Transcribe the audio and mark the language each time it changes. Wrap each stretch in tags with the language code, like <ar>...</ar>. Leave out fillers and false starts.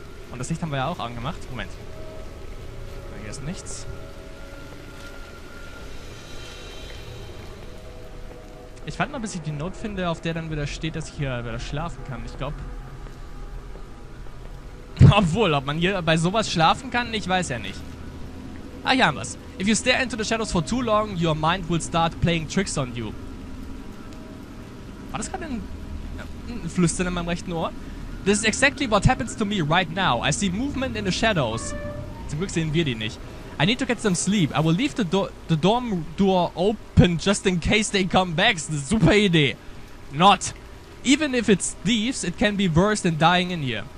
<de>Und das Licht haben wir ja auch angemacht. Moment. Hier ist nichts. Ich warte mal, bis ich die Note finde, auf der dann wieder steht, dass ich hier wieder schlafen kann. Ich glaube. Obwohl, ob man hier bei sowas schlafen kann, ich weiß ja nicht. Ah, hier haben wir's.</de> <en>If you stare into the shadows for too long, your mind will start playing tricks on you.</en> <de>War das gerade ein Flüstern in meinem rechten Ohr?</de> <en>This is exactly what happens to me right now. I see movement in the shadows.</en> <de>Zum Glück sehen wir die nicht.</de> <en>I need to get some sleep. I will leave the dorm door open just in case they come back.</en> <de>Super Idee.</de> <en>Not. Even if it's thieves, it can be worse than dying in here.</en>